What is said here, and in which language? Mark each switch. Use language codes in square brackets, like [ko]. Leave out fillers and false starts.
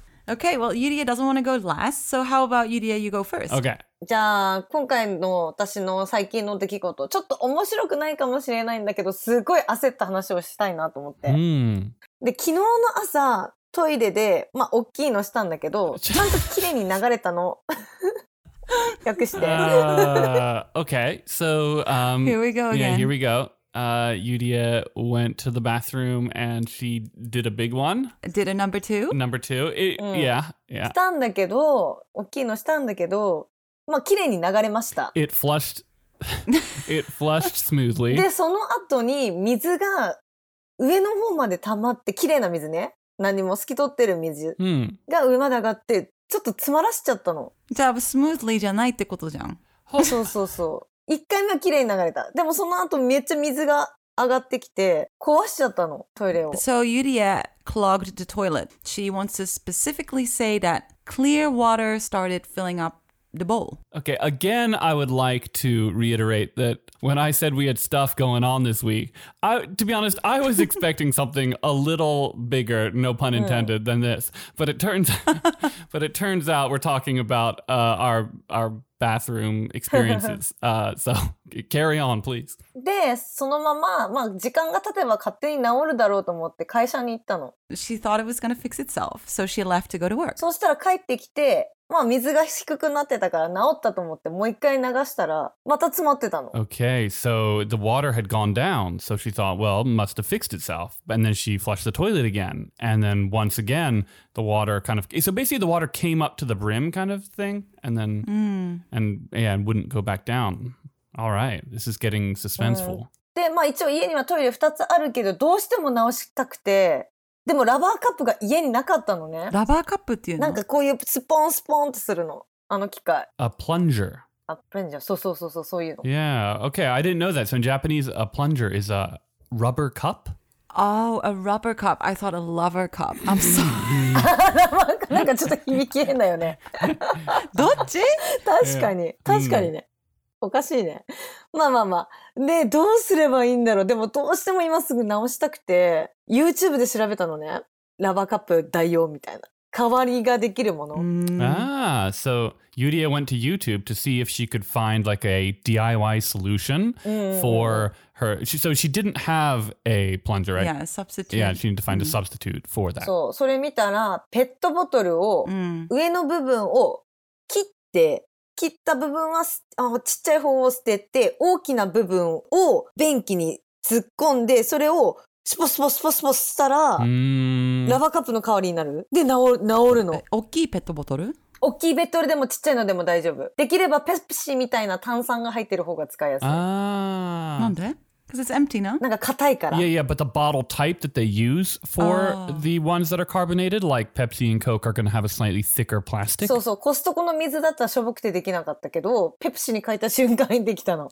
[en] Okay, well, Yuria doesn't want to go last, so how about Yuria, you go first? Okay. [ja] じゃあ、今回の私の最近の出来事、ちょっと面白くないかもしれないんだけど、すごい焦った話をしたいなと思って。で、昨日の朝、トイレで、まあ、大きいのしたんだけど、ちゃんと綺麗に流れたの。訳して。 [en] Okay, so, Here we go again. Yeah, here we go. Yuria went to the bathroom and she did a big one. Did a number two? Number two. Yeah, yeah. [ja] したんだけど、大きいのしたんだけど、まあ、綺麗に流れました。 [en] It flushed smoothly. [ja] で、その後に水が上の方まで溜まって、綺麗な水ね。何も透き通ってる水が上まで上がってちょっと詰まらしちゃったの。じゃあスムーズリーじゃないってことじゃん。そうそうそう。一回目は綺麗に流れた。でもその後めっちゃ水が上がってきて壊しちゃったのトイレを。 [en] So Yuria clogged the toilet. She wants to specifically say that clear water started filling up the bowl. Okay, again, I would like to reiterate that when I said we had stuff going on this week, To be honest, I was expecting something a little bigger, no pun intended, than this. But it turns out we're talking about our bathroom experiences. So carry on, please. [ja] で、そのまま、まあ、時間が経てば勝手に治るだろうと思って会社に行ったの。 [en] She thought it was going to fix itself, so she left to go to work. [ja] そしたら帰ってきて、まあ、水が低くなってたから治ったと思ってもう一回流したら、また詰まってたの。 [en] Okay, so the water had gone down, so she thought, well, it must have fixed itself. And then she flushed the toilet again. And then once again, the water kind of... So basically, the water came up to the brim kind of thing, and then... And wouldn't go back down. All right, this is getting suspenseful. [ja] で、まあ一応家にはトイレ2つあるけど、どうしても直したくて、でもラバーカップが家になかったのね。ラバーカップっていうの？なんかこういうスポンスポンってするの。あの機械。 [en] A plunger. A plunger. [ja] そうそうそうそう、そういうの。 [en] Yeah, okay, I didn't know that. So in Japanese, a plunger is a rubber cup? Oh, a rubber cup. I thought a lover cup. I'm sorry. [ja] なんかちょっと響き変だよね。どっち？確かに。確かにね。おかしいね。まあまあまあ。で、どうすればいいんだろう。でもどうしても今すぐ直したくて、YouTube で調べたのね。ラバーカップ代用みたいな。代わりができるもの。 [en] Ah, so Yuria went to YouTube to see if she could find like a DIY solution for... Her, so she didn't have a plunger, right? Yeah, a substitute. Yeah, she needed to find a substitute for that. [ja] So, それ見たら、ペットボトルを上の部分を切って、切った部分はちっちゃい方を捨てて、大きな部分を便器に突っ込んで、それをスポスポスポスポスしたら、ラバーカップの代わりになる。で、治るの。大きいペットボトル？大きいベトルでもちっちゃいのでも大丈夫。できればペプシみたいな炭酸が入ってる方が使いやすい。 Ah. なんで？ [en] Because it's empty, no? [ja] なんか硬いから。 [en] Yeah, yeah, but the bottle type that they use for the ones that are carbonated, like Pepsi and Coke, are going to have a slightly thicker plastic. [ja] そうそう、コストコの水だったらしょぼくてできなかったけど、ペプシに変えた瞬間にできたの。